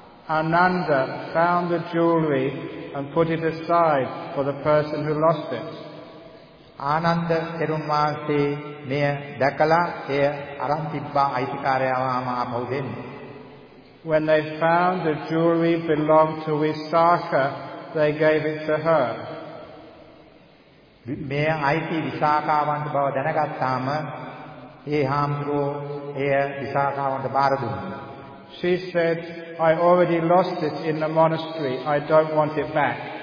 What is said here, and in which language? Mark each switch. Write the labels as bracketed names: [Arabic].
[English] Ananda found the jewelry and put it aside for the person who lost it. [Sinhala] Ananda තෙරුන් වහන්සේ මෙය දැකලා එය අරන් තිබ්බා අයිතිකාරයාව ආපහු දෙන්න. [English] When they found the jewelry belonged to Visakha, they gave it to her. [Sinhala] මෙය අයිති විසාකාවන්ට බව දැනගත්තාම ඒ හාමුදුරුවෝ එය විසාකාවන්ට බාර දුන්නා. [English] She said, I already lost it in the monastery. I don't want it back.